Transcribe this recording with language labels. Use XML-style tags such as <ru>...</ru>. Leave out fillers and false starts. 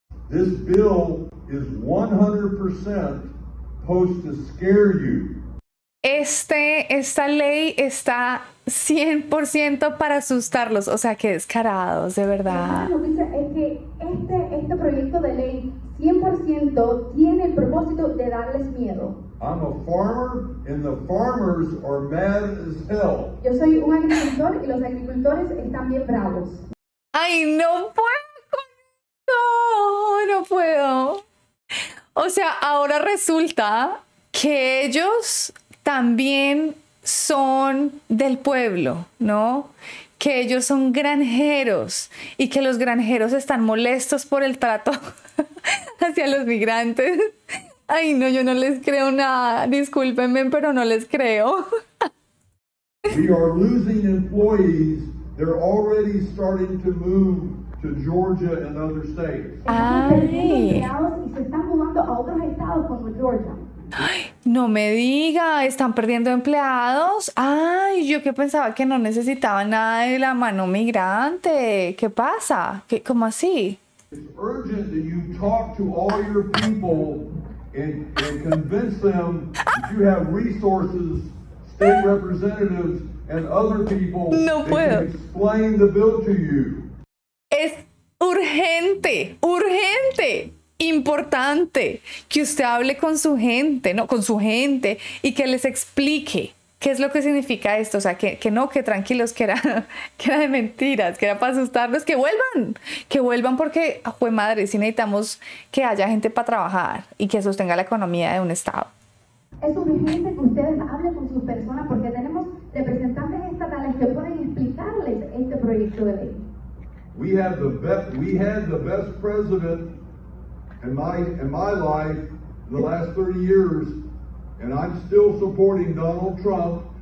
<en>This bill is 100% supposed to scare you.</en> <es>Esta ley está 100% para asustarlos, o sea, que descarados, de verdad. Lo que dice es que este proyecto de ley 100% tiene el propósito de darles miedo.</es> <en>I'm a farmer and the farmers are mad as hell.</en> <es>Yo soy un agricultor y los agricultores están bien bravos. Ay, no puedo. No puedo. O sea, ahora resulta que ellos también son del pueblo, ¿no? Que ellos son granjeros y que los granjeros están molestos por el trato hacia los migrantes. Ay, no, yo no les creo nada. Discúlpenme, pero no les creo.</es> <en>We are losing employees. They're already starting to move to Georgia and other states. Ay.</en> <es>Y se están mudando a otros estados como Georgia. Ay, no me diga, están perdiendo empleados. Ay, yo que pensaba que no necesitaban nada de la mano migrante. ¿Qué pasa? ¿Qué, cómo así?</es> <en>It's urgent that you talk to all your people and convince them that you have resources, state representatives and other people</en> <es>no puedo.</es> <en>That can explain the bill to you.</en> <es>Es urgente, urgente, importante que usted hable con su gente, ¿no? Con su gente y que les explique qué es lo que significa esto. O sea, que no, que tranquilos, que era de mentiras, que era para asustarlos. Que vuelvan porque, pues madre, sí necesitamos que haya gente para trabajar y que sostenga la economía de un estado. Es urgente que ustedes hablen con sus personas porque tenemos representantes estatales que pueden explicarles este proyecto de ley.</es> <en>We had the best president in my life in the last 30 years, and I'm still supporting Donald Trump.</en>